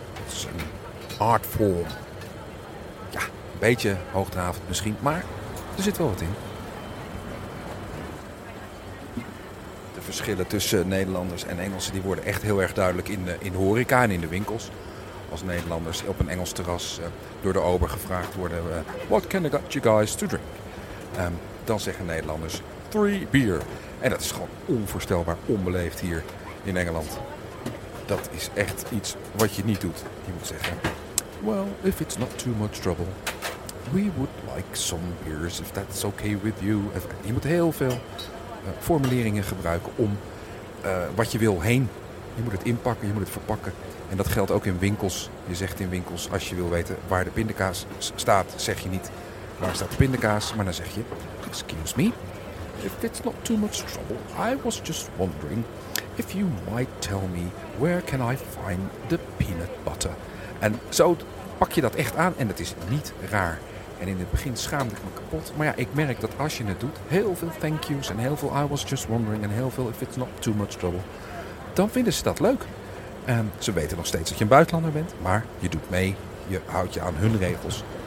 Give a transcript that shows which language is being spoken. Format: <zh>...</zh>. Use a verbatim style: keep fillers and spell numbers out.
<nl>Dat is een artvorm. Ja, een beetje hoogdravend misschien, maar er zit wel wat in. De verschillen tussen Nederlanders en Engelsen die worden echt heel erg duidelijk in de, in de horeca en in de winkels. Als Nederlanders op een Engels terras uh, door de ober gevraagd worden...</nl> <en>Uh, What can I get you guys to drink?</en> <nl>Um, dan zeggen Nederlanders,</nl> <en>three beer.</en> <nl>En dat is gewoon onvoorstelbaar onbeleefd hier in Engeland. Dat is echt iets wat je niet doet. Je moet zeggen,</nl> <en>well, if it's not too much trouble... we would like some beers, if that's okay with you.</en> <nl>Je moet heel veel uh, formuleringen gebruiken om uh, wat je wil heen. Je moet het inpakken, je moet het verpakken. En dat geldt ook in winkels. Je zegt in winkels, als je wil weten waar de pindakaas staat, zeg je niet... waar staat de pindakaas, maar dan zeg je...</nl> <en>excuse me, if it's not too much trouble, I was just wondering... if you might tell me, where can I find the peanut butter?</en> <nl>En zo pak je dat echt aan en dat is niet raar. En in het begin schaamde ik me kapot. Maar ja, ik merk dat als je het doet, heel veel thank yous... en heel veel</nl> <en>I was just wondering</en> <nl>en heel veel</nl> <en>if it's not too much trouble...</en> <nl>dan vinden ze dat leuk. En ze weten nog steeds dat je een buitenlander bent, maar je doet mee, je houdt je aan hun regels.</nl>